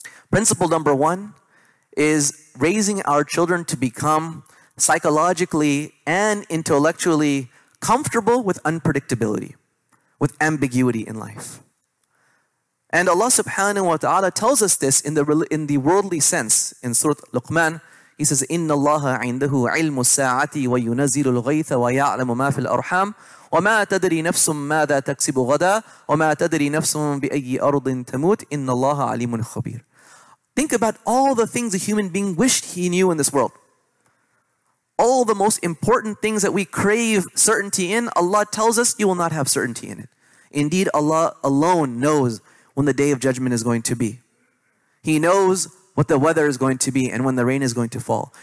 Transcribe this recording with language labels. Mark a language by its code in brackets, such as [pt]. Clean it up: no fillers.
[en] Principle number one is raising our children to become psychologically and intellectually comfortable with unpredictability, with ambiguity in life. And Allah subhanahu wa ta'ala tells us this in the worldly sense. In Surah Luqman, He says, [ar] إِنَّ اللَّهَ عِنْدَهُ عِلْمُ السَّاعَةِ وَيُنَزِّلُ الْغَيْثَ وَيَعْلَمُ مَا فِي الْأَرْحَامِ وَمَا تَدْرِي نَفْسٌ مَاذَا تَكْسِبُ غَدًا وَمَا تَدْرِي نَفْسٌ بِأَيِّ أَرْضٍ تَمُوتُ إِنَّ اللَّهَ عَلِيمٌ خَبِيرٌ. [en] Think about all the things a human being wished he knew in this world. All the most important things that we crave certainty in, Allah tells us you will not have certainty in it. Indeed, Allah alone knows when the day of judgment is going to be. He knows what the weather is going to be and when the rain is going to fall.